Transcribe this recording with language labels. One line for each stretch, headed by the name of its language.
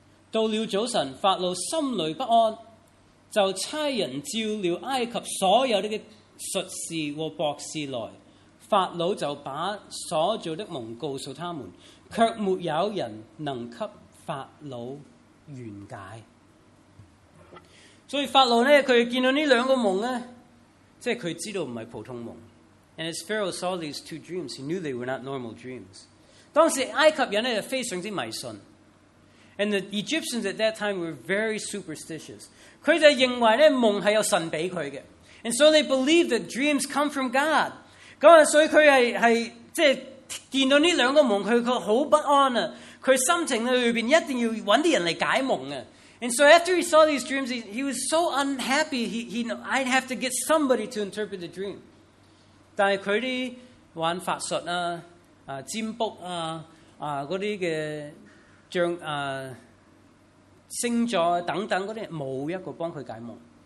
Chinese: 到了早晨，法老心里不安，就差人召了埃及所有的术士和博士来。法老就把所做的梦告诉他们，却没有人能给法老缘解。所以法老呢，他见到这两个梦呢，即是他知道不是普通梦。
English: And as Pharaoh saw these two dreams, he knew they were not normal dreams.
Chinese: 当时埃及人呢，非常之迷信。
English: And the Egyptians at that time were very superstitious.
Chinese: 他就认为呢，梦是有神给他的。
English: And so they believed that dreams come from God.
Chinese: 所以他是见到这两个梦，他很不安啊。他心情里面一定要找些人来解梦啊。
English: And so after he saw these dreams, he was so unhappy, I'd have to get somebody to interpret the dream.
Chinese: 但是他的玩法术啊，占卜啊，那些的像星座等等那些，没有一个帮他解梦。